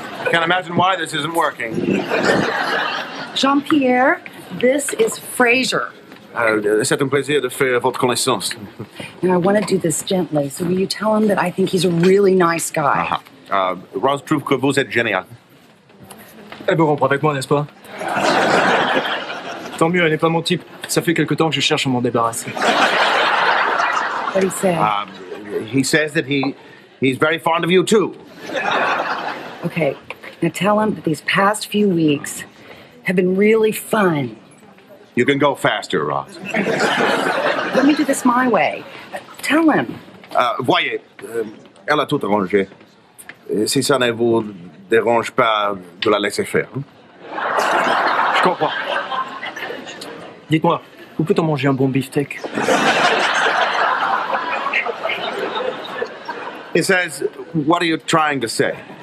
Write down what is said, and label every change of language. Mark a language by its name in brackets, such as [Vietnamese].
[English] Can't imagine why this isn't working. Jean-Pierre, this is Fraser. [French] C'est un plaisir de faire votre connaissance. [English] Now, I want to do this gently, so will you tell him that I think he's a really nice guy? [French] Uh-huh. Je trouve que vous êtes génial. Eh bien, on prend avec moi, n'est-ce pas? Tant mieux, elle n'est pas mon type. Ça fait quelque temps que je cherche à m'en débarrasser. [English] What he say? He says that he's very fond of you, too. Okay, now tell him that these past few weeks have been really fun. You can go faster, Ross. Let me do this my way. Tell him. [French] Voyez, elle a tout arrangé. si ça ne vous dérange pas de la laisser faire. Je comprends. Dites-moi, où peut-on manger un bon beefsteak? [English] He says, what are you trying to say?